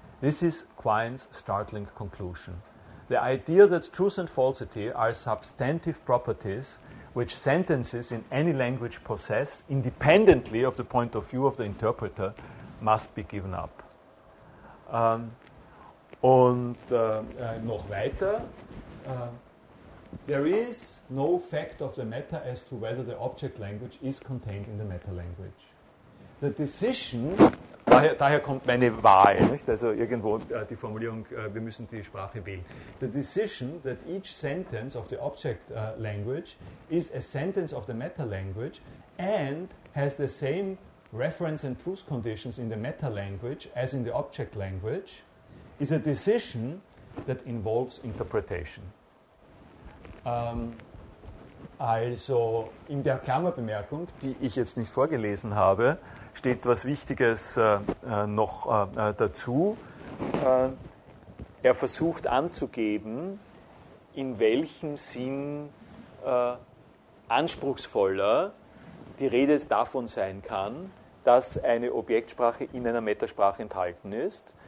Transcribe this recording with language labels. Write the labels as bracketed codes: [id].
[en] This is Quine's startling conclusion. The idea that truth and falsity are substantive properties which sentences in any language possess, independently of the point of view of the interpreter, must be given up. [de] Noch weiter. [en] There is no fact of the matter as to whether the object language is contained in the meta language. The decision... [de] Daher kommt meine Wahl, nicht? Also irgendwo die Formulierung, wir müssen die Sprache wählen. [en] The decision that each sentence of the object language is a sentence of the meta language and has the same reference and truth conditions in the meta language as in the object language is a decision that involves interpretation. [de] Also in der Klammerbemerkung, die ich jetzt nicht vorgelesen habe, steht was Wichtiges noch dazu. Er versucht anzugeben, in welchem Sinn anspruchsvoller die Rede davon sein kann, dass eine Objektsprache in einer Metasprache enthalten ist.